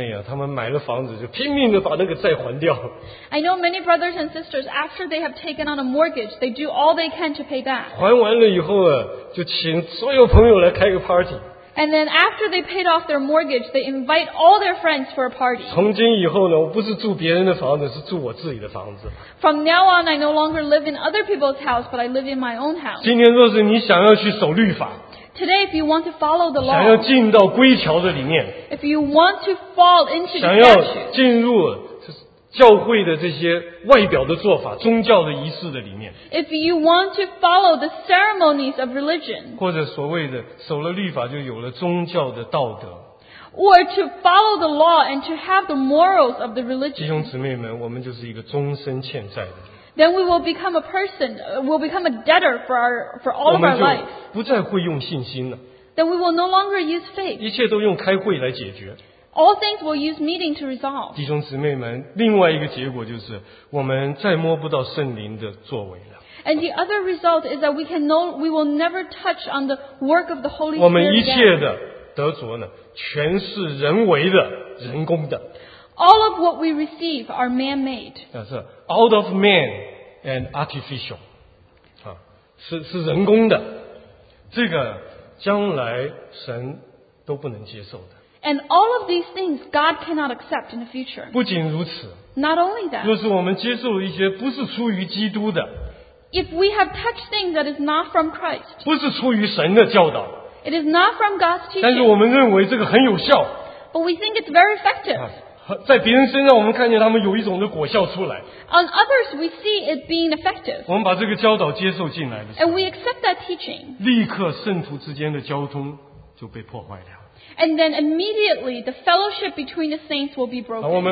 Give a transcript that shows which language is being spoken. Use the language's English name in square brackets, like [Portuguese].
[Chinese] 我认识好多弟兄姊妹啊，他们买了房子就拼命的把那个债还掉。 [English] I know many brothers and sisters, after they have taken on a mortgage, they do all they can to pay back. [Chinese] 还完了以后啊，就请所有朋友来开个 party。 [English] And then after they paid off their mortgage, they invite all their friends for a party. [Chinese] 从今以后呢, 我不是住别人的房子, 是住我自己的房子。 [English] From now on, I no longer live in other people's house, but I live in my own house. [Chinese] 今天若是你想要去守律法, [English] today, if you want to follow the law, [Chinese] 想要进到规条的里面, [English] if you want to fall into the statutes, [Chinese] 想要进入 教会的这些外表的做法, 宗教的仪式的里面, [English] if you want to follow the ceremonies of religion, [Chinese] 或者所谓的守了律法就有了宗教的道德, [English] or to follow the law and to have the morals of the religion, [Chinese] 弟兄姊妹们, 我们就是一个终身欠债的, [English] then we will become a person, we'll become a debtor for all of our life. [Chinese] 我们就不再会用信心了, [English] then we will no longer use faith. [Chinese] 一切都用开会来解决。 [English] All things will use meeting to resolve. [Chinese] 弟兄姊妹们, 另外一个结果就是, 我们再摸不到圣灵的作为了。 [English] And the other result is that we will never touch on the work of the Holy Spirit. [Chinese] 我们一切的得着呢, 全是人为的, 人工的。 [English] All of what we receive are man-made. That's out of man and artificial. [Chinese] 啊, 是人工的。这个将来神都不能接受的。 [English] And all of these things God cannot accept in the future. [Chinese] 不仅如此, [English] Not only that. [Chinese] 若是我们接受一些不是出于基督的, [English] If we have touched things that is not from Christ, [Chinese] 不是出于神的教导, [English] It is not from God's teaching. [Chinese] 但是我们认为这个很有效, [English] But we think it's very effective. [Chinese] 在别人身上我们看见他们有一种的果效出来, [English] On others, we see it being effective. [Chinese] 我们把这个教导接受进来的时候, [English] And we accept that teaching. [Chinese] 立刻圣徒之间的交通就被破坏了。 [English] And then immediately the fellowship between the saints will be broken.